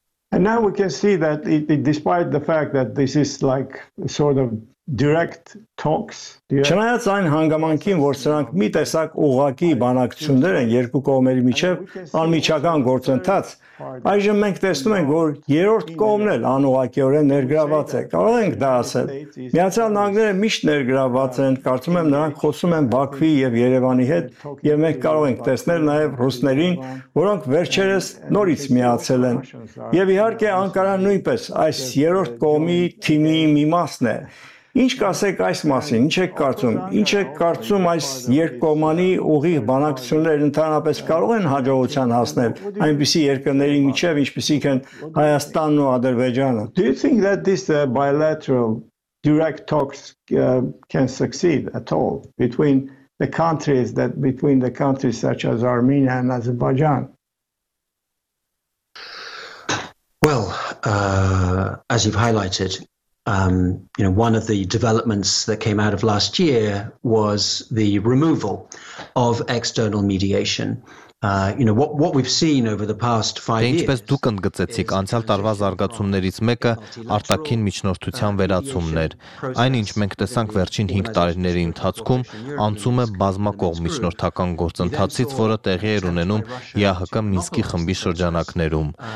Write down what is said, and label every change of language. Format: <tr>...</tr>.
<en>And now we can see that despite the fact that this is like sort of direct talks.</en> <hy>Չնայած այն հանգամանքին, որ սրանք մի տեսակ ուղղակի բանակցություններ են երկու կողմերի միջև անմիջական գործընթաց, այժմ մենք տեսնում ենք, որ երրորդ կողմն էլ անուղղակիորեն ներգրավված է, կարող ենք դա ասել։ Միացյալ Նահանգները միշտ ներգրավված են, կարծում եմ նրանք խոսում են Բաքվի և Երևանի հետ, և մենք կարող ենք տեսնել նաև ռուսներին, որոնք վերջերս նորից միացել են։ Եվ իհարկե Անկարան նույնպես այս երրորդ կողմի թիմի մի մասն է։ Ինչ կասեք այս մասին, ինչ եք կարծում, ինչ եք կարծում այս երկկողմանի ուղիղ բանակցություններ ընդհանրապես կարող են հաջողության հասնել այնպիսի երկրների միջև, ինչպիսիք են Հայաստանն ու Ադրբեջանը։</hy> <en>Do you think that this bilateral direct talks can succeed at all between the countries such as Armenia and Azerbaijan? Well, as you've highlighted, one of the developments that came out of last year was the removal of external mediation. What we've seen over the past 5 years.</en> <hy>Ինչպես դուք ընդգծեցիք, անցյալ տարվա զարգացումներից մեկը արտաքին միջնորդության վերացումներ։ Այնինչ մենք տեսանք վերջին 5 տարիների ընթացքում, անցումը բազմակողմ միջնորդական գործընթացից, որը տեղի էր ունենում ՀՀԿ Մինսկի խմբի շրջանակներում։</hy>